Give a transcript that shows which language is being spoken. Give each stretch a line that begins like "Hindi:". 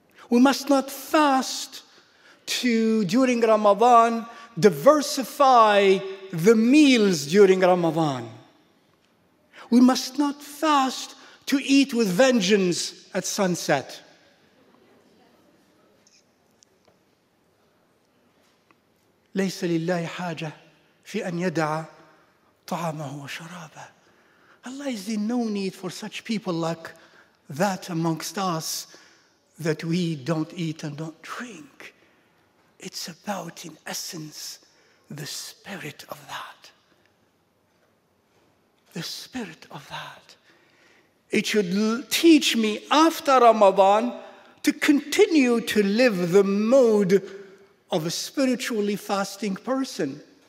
English: We must not fast to, during Ramadan, diversify the meals during Ramadan. We must not fast to eat with vengeance at sunset.
Arabic: ليس لله حاجة في أن يدعى طعامه وشرابه.
English: Allah is in no need for such people like that amongst us that we don't eat and don't drink. It's about, in essence, the spirit of that. The spirit of that. It should teach me after Ramadan to continue to live the mode of a spiritually fasting person.